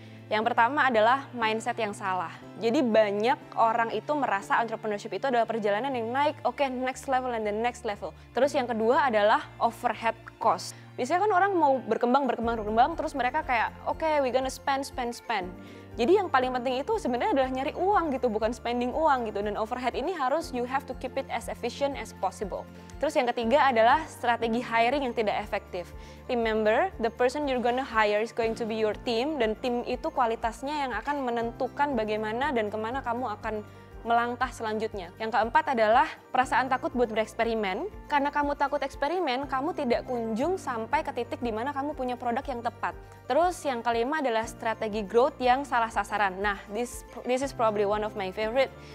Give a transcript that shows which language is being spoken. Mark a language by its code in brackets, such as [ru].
[id] Yang pertama adalah mindset yang salah. Jadi banyak orang itu merasa entrepreneurship itu adalah perjalanan yang naik, [en] okay, next level and the next level. [id] Terus yang kedua adalah overhead cost. Biasanya kan orang mau berkembang, terus mereka kayak, [en] okay, we gonna spend. [id] Jadi yang paling penting itu sebenarnya adalah nyari uang gitu, bukan spending uang gitu. Dan overhead ini harus [en] you have to keep it as efficient as possible. [id] Terus yang ketiga adalah strategi hiring yang tidak efektif. [en] Remember, the person you're gonna hire is going to be your team, [id] dan tim itu kualitasnya yang akan menentukan bagaimana dan kemana kamu akan melangkah selanjutnya. Yang keempat adalah perasaan takut buat bereksperimen. Karena kamu takut eksperimen, kamu tidak kunjung sampai ke titik di mana kamu punya produk yang tepat. Terus yang kelima adalah strategi growth yang salah sasaran. [en] Nah, this is probably one of my favorite.